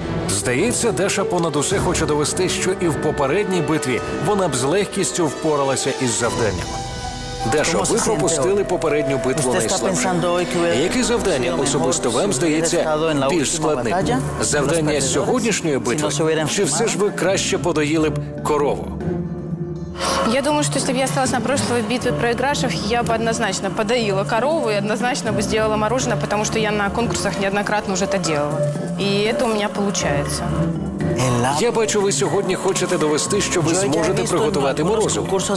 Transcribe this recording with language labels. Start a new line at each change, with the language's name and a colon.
Ukrainian: Здається, Даша понад усе хоче довести, що і в попередній битві вона б з легкістю впоралася із завданням. Даша, ви пропустили попередню битву найслабшою. Яке завдання особисто вам здається більш складним? Завдання сьогоднішньої битви? Чи все ж ви краще подоїли б корову?
Russian: Я думаю, что если бы я осталась на прошлой битве проигравших, я бы однозначно подоила корову и однозначно бы сделала мороженое, потому что я на конкурсах неоднократно уже это делала. И это у меня получается.
Ukrainian: Я бачу, ви сьогодні хочете довести, що ви зможете приготувати морозиво.